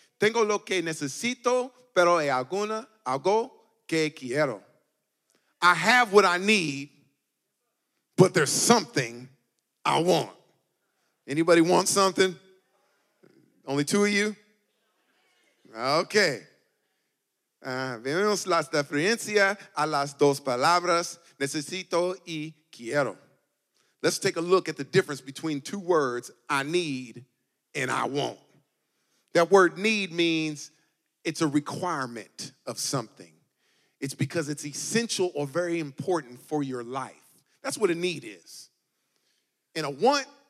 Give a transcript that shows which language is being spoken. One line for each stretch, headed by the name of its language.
Spanish: Tengo lo que necesito, pero hay algo que quiero.
English: I have what I need, but there's something I want. Anybody want something? Only two of you? Okay.
Spanish: Vemos la diferencia a las dos palabras, necesito y quiero.
English: Let's take a look at the difference between two words, I need and I want. That word need means it's a requirement of something. It's because it's essential or very important for your life. That's what a need is. And a want